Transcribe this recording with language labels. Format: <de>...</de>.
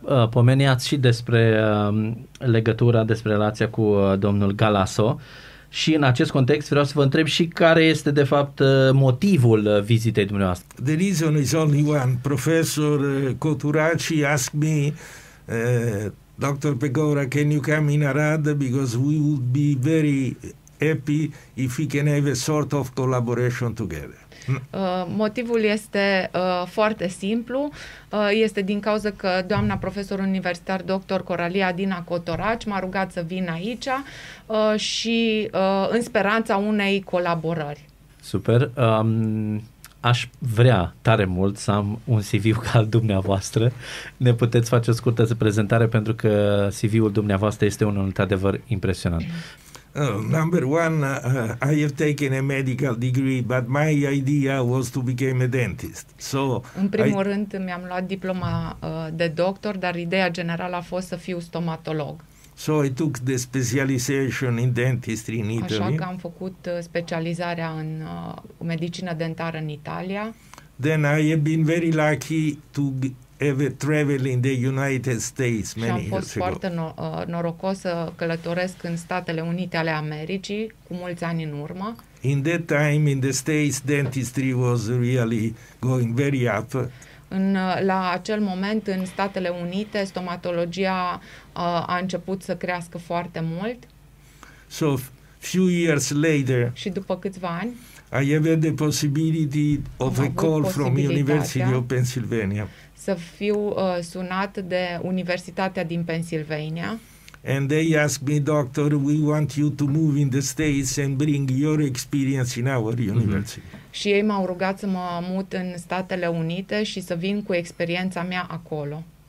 <ro>Pomeniați și despre legătura, despre relația cu domnul Galasso. Și în acest context vreau să vă întreb și care este de fapt motivul vizitei dumneavoastră.</ro> <en>The reason is only one. Professor Coturaci asked me Dr. Pecora, can you come in Arad? Because we would be very happy if we can have a sort of collaboration together.</en> <ro>Motivul este foarte simplu. Este din cauza că doamna profesor universitar dr. Coralia Dina Cotoraci m-a rugat să vin aici și în speranța unei colaborări. Super. Aș vrea tare mult să am un CV-ul ca al dumneavoastră. Ne puteți face o scurtă prezentare pentru că CV-ul dumneavoastră este unul într-adevăr impresionant.</ro> <en>Number one, I have taken a medical degree, but my idea was to become a dentist. So,</en> <ro>în primul rând, mi-am luat diploma de doctor, dar ideea generală a fost să fiu stomatolog.</ro> <en>So I took the specialization in dentistry in Italy.</en> <ro>Așa că am făcut specializarea în medicină dentară în Italia.</ro> <en>Then I have been very lucky to have traveled in the United States many years ago.</en> <ro>Și am fost foarte norocos să călătoresc în Statele Unite ale Americii cu mulți ani în urmă.</ro> <en>In that time in the States dentistry was really going very up.</en> <ro>La acel moment în Statele Unite stomatologia a început să crească foarte mult.</ro> <en>So few years later.</en> <ro>Și după câțiva ani</ro> <en>I have had the possibility of a call from University of Pennsylvania.</en> <ro>Să fiu sunat de Universitatea din Pennsylvania.</ro> <en>And they asked me, doctor, we want you to move in the States and bring your experience in our university. Mm-hmm.</en> <ro>Și ei m-au rugat să mă mut în Statele Unite și să vin cu experiența mea acolo.</ro>